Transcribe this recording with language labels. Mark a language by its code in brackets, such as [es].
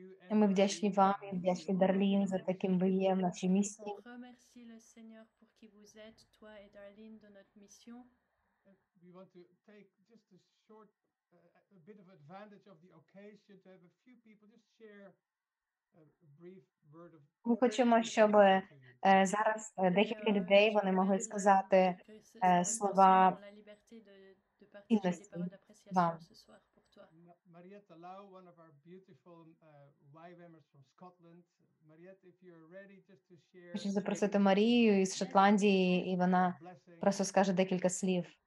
[uk] І ми вдячні вам, і вдячні Дарлін за таким ви є в нашій місії. [fr] Merci le Seigneur pour qui vous êtes, toi et Darlin dans notre mission. [en] We want to take just a short a bit of advantage of the occasion to have a few people just share a brief word of. [uk] Ми хочемо, щоб зараз декілька людей вони могли сказати слова інності вам. [en] Marietta Lau, one of our beautiful YWAMers from Scotland. Marietta, if you're ready just to share. [uk] Хочу запросити Марію із Шотландії, і вона просто скаже декілька слів.